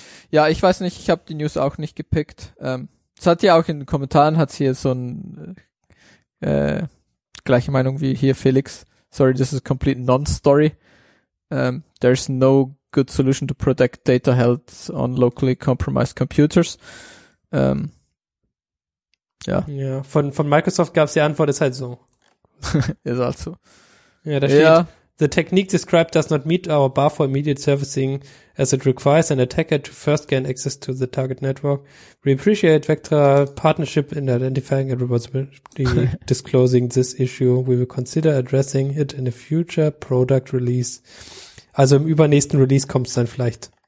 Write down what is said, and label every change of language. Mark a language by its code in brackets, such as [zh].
[de] Ja, ich weiß nicht, ich habe die News auch nicht gepickt. Es hat ja auch in den Kommentaren, hat es hier so ein gleiche Meinung wie hier Felix. [en] Sorry, this is a complete non-story. There's no good solution to protect data held on locally compromised computers. Ja. [de] Ja, von Microsoft gab es die Antwort, ist halt so. Ist halt so. Ja, da steht, ja. [en] The technique described does not meet our bar for immediate servicing as it requires an attacker to first gain access to the target network. We appreciate Vectra partnership in identifying and responsibly disclosing this issue. We will consider addressing it in a future product release. [de] Also im übernächsten Release kommt es dann vielleicht.